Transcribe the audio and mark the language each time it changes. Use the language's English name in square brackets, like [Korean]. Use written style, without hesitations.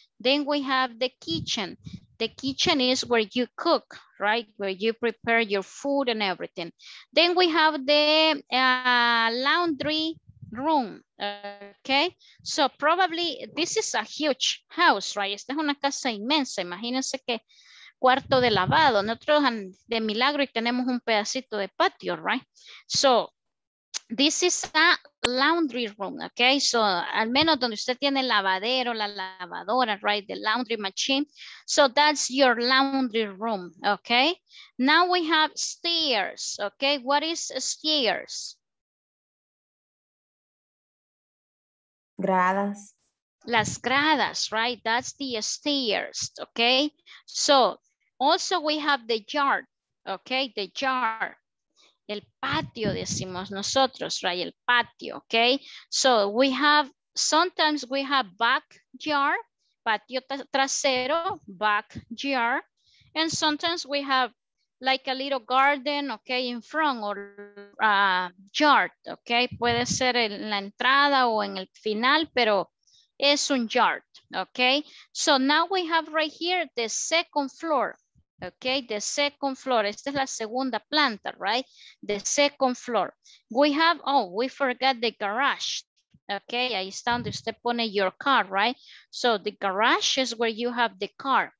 [English] Then we have the kitchen. The kitchen is where you cook, right? Where you prepare your food and everything. Then we have the laundry room, okay? So probably this is a huge house, right? [Spanish] Esta es una casa inmensa. Imagínense que cuarto de lavado. Nosotros de milagro y tenemos un pedacito de patio, right? [English] So this is a laundry room, okay? [Spanish] So al menos donde usted tiene el lavadero, la lavadora, right? [English] The laundry machine. So that's your laundry room, okay? Now we have stairs, okay? What is stairs? [Spanish] Gradas. Las gradas, [English] right? That's the stairs, okay? So also we have the yard, okay? The yard. [Spanish] El patio, decimos nosotros, right? El patio, okay? [English] So we have, sometimes we have backyard, [Spanish] patio trasero, [English] backyard. And sometimes we have like a little garden, okay, in front, or yard, okay? [Spanish] Puede ser en la entrada o en el final, pero es un yard, okay? [English] So now we have right here the second floor. Okay, the second floor. [Spanish] Esta es la segunda planta, [English] right? The second floor. We have, oh, we forgot the garage. [Spanish] Okay, ahí está donde usted pone [English] your car, [Spanish] right? [English] So the garage is where you have the car.